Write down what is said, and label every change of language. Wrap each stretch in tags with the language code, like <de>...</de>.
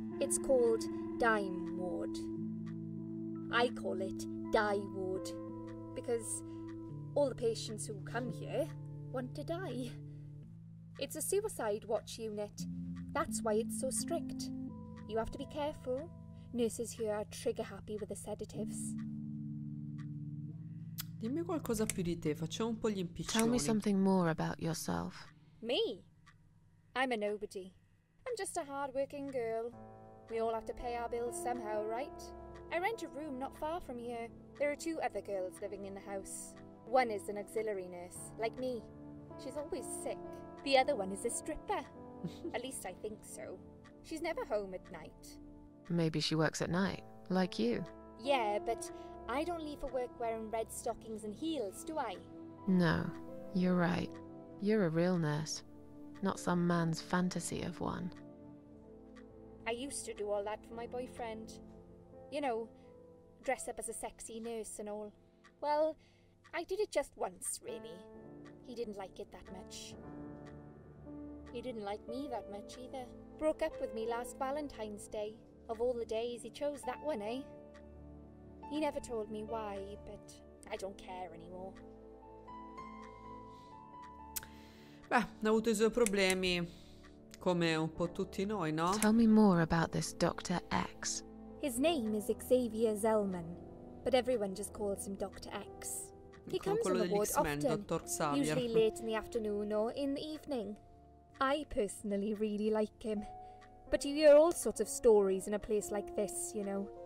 <en>It's called Dime Ward. I call it Die Ward, because all the patients who come here want to die. It's a suicide watch unit. That's why it's so strict. You have to be careful. Nurses here are trigger happy with the sedatives.</en> <it>Dimmi qualcosa più di te, facciamo un po' gli impiccioni.</it> <en>Tell me something more about yourself. Me? I'm a nobody. I'm just a hard-working girl. We all have to pay our bills somehow, right? I rent a room not far from here. There are two other girls living in the house. One is an auxiliary nurse, like me. She's always sick. The other one is a stripper. At least I think so. She's never home at night. Maybe she works at night, like you. Yeah, but I don't leave for work wearing red stockings and heels, do I? No, you're right. You're a real nurse, not some man's fantasy of one. I used to do all that for my boyfriend. You know, dress up as a sexy nurse and all. Well, I did it just once, really. He didn't like it that much. He didn't like me that much either. Broke up with me last Valentine's Day. Of all the days, he chose that one, eh? He never told me why, but I don't care anymore.</en> <it>Beh, ha avuto i suoi problemi, come un po' tutti noi, no?</it> <en>Tell me more about this Dr. X. His name is Xavier Zellman, but everyone just calls him Dr. X. He comes on the ward often, Dr. Xavier. Usually late in the afternoon or in the evening. I personally really like him, but you hear all sorts of stories in a place like this, you know.</en>